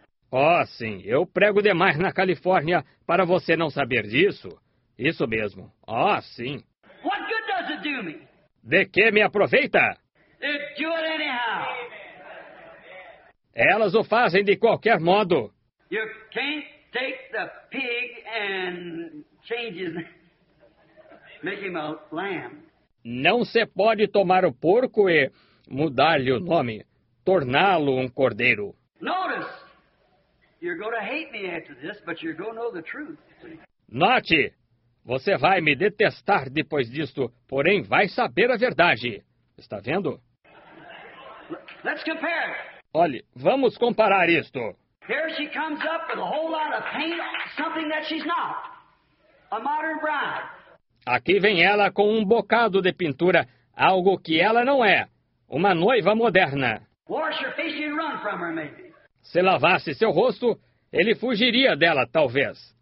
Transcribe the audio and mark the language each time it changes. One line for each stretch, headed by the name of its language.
Portuguese: Oh, sim, eu prego demais na Califórnia para você não saber disso. Isso mesmo. Oh, sim.
English: What good does it do me?
Portuguese: De que me aproveita?
English: Do it anyhow.
Portuguese: Elas o fazem de qualquer modo.
English: You can't take the pig and change his name. Make him a lamb.
Portuguese: Não se pode tomar o porco e mudar-lhe o nome, torná-lo um cordeiro.
English: Notice. You're going to hate me after this, but you're going to know the truth.
Portuguese: Note, você vai me detestar depois disto, porém vai saber a verdade. Está vendo?
English: Let's compare.
Portuguese: Olhe, vamos comparar isto.
English: Here she comes up with a whole lot of paint, something that she's not. A modern bride.
Portuguese: Aqui vem ela com um bocado de pintura, algo que ela não é. Uma noiva moderna.
English: Wash your face, you'd run from her, maybe.
Portuguese: Se lavasse seu rosto, ele fugiria dela, talvez.